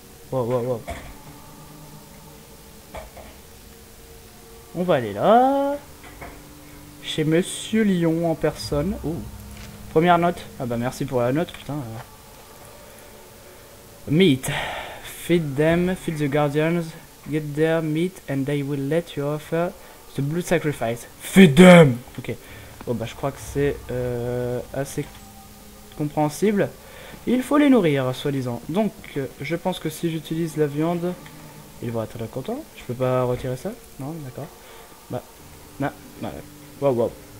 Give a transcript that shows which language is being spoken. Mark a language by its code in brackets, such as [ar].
[fr] Wow, wow, wow. On va aller là. Chez Monsieur Lion en personne. Oh! Première note. Ah bah merci pour la note, putain. [en] Meet. Feed them, feed the guardians. Get their meat and they will let you offer the blood sacrifice. Feed them! Ok. [fr] Bon bah je crois que c'est assez compréhensible. Il faut les nourrir, soi-disant. Donc, je pense que si j'utilise la viande, ils vont être contents. Je peux pas retirer ça? Non, d'accord. Bah, non, bah, wow, wow.